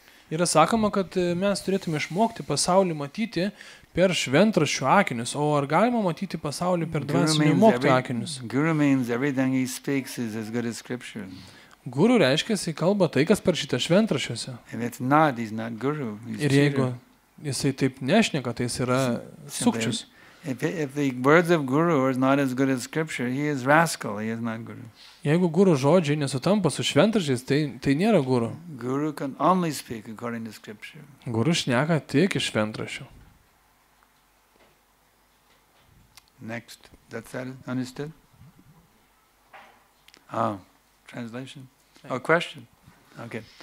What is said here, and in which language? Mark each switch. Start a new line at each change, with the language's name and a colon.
Lithuanian: Yra sakoma, kad mes turėtume išmokti pasaulį matyti per šventraščių akinius, o ar galima matyti pasaulį per dvasinių mokytojų akinius?
English: Guru means everything he speaks is as good as scripture.
Lithuanian: Guru reiškia, jis kalba tai, kas parašyta šventraščiuose.
English: If it's not, he's not guru.
Lithuanian: Ir jeigu jisai taip nešneka, tai jis yra sukčius.
English: If the words of guru are not as good as scripture, he is rascal, he is not guru.
Lithuanian: Jeigu guru žodžiai nesutampa su šventraščiais, tai nėra guru.
English: Guru can only speak according to scripture.
Lithuanian: Guru šneka tik iš šventraščių.
English: Next. That's that understood? Ah, translation. Or question. Okay.